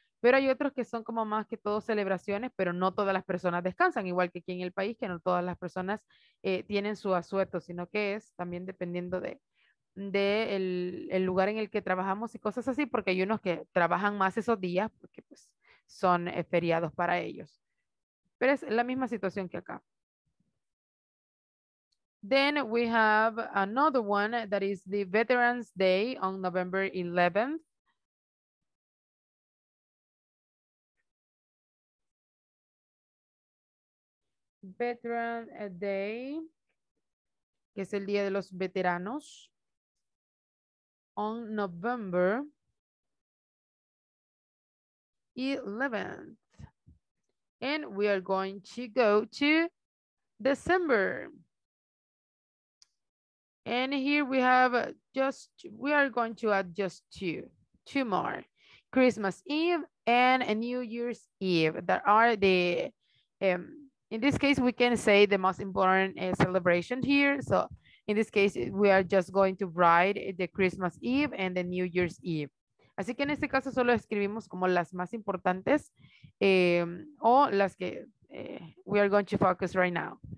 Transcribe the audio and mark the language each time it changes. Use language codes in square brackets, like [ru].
[es] Pero hay otros que son como más que todo celebraciones, pero no todas las personas descansan, igual que aquí en el país, que no todas las personas tienen su asueto, sino que es también dependiendo de el lugar en el que trabajamos y cosas así, porque hay unos que trabajan más esos días, porque pues son feriados para ellos. Pero es la misma situación que acá. [en] Then we have another one, that is the Veterans Day on November 11th. [es] Veteran Day, que es el Día de los Veteranos, [en] on November 11th. And we are going to go to December. And here we have just, we are going to add just two more. Christmas Eve and New Year's Eve. That are the, in this case, we can say the most important celebration here. So in this case, we are just going to write the Christmas Eve and the New Year's Eve. [es] Así que en este caso solo escribimos como las más importantes o las que [en] we are going to focus right now.